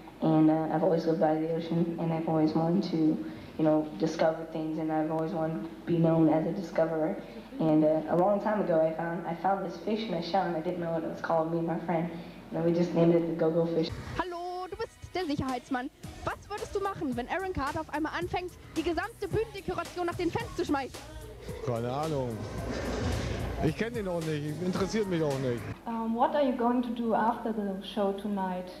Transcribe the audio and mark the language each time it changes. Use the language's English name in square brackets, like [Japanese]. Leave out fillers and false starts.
[English] And I've always lived by the ocean and I've always wanted to, you know, discover things, and I've always wanted to be known as a discoverer. And a long time ago, I found this fish in a shell and I didn't know what it was called, me and my friend. And then we just named it the Go-Go Fish. [German] Hallo, du bist der Sicherheitsmann. Was würdest du machen, wenn Aaron Carter auf einmal anfängt, die gesamte Bühnendekoration nach den Fans zu schmeißen? Keine Ahnung. Ich kenne ihn auch nicht. Interessiert mich auch nicht. [English] What are you going to do after the show tonight?